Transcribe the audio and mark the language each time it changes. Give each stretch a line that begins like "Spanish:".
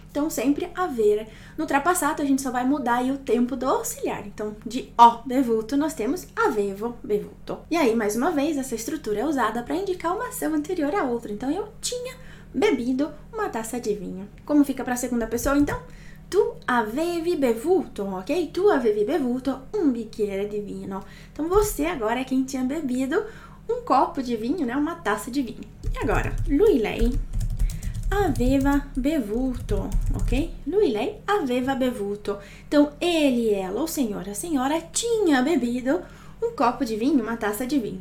Portuguese: Então, sempre avere. No trapassato, a gente só vai mudar aí o tempo do auxiliar. Então, de
Italian: ho bevuto,
Portuguese: nós temos
Italian: avevo bevuto.
Portuguese: E aí, mais uma vez, essa estrutura é usada para indicar uma ação anterior à outra. Então, eu tinha bebido uma taça de vinho. Como fica para a segunda pessoa, então?
Italian: Tu avevi bevuto, ok? Tu avevi bevuto um bicchiere di vino.
Portuguese: Então, você agora é quem tinha bebido um copo de vinho, né? Uma taça de vinho. E agora,
Italian: lui, lei. Aveva bevuto,
Portuguese: ok?
Italian: Lui, lei, aveva bevuto.
Portuguese: Então, ele, ela, ou senhora, a senhora, tinha bebido um copo de vinho, uma taça de vinho.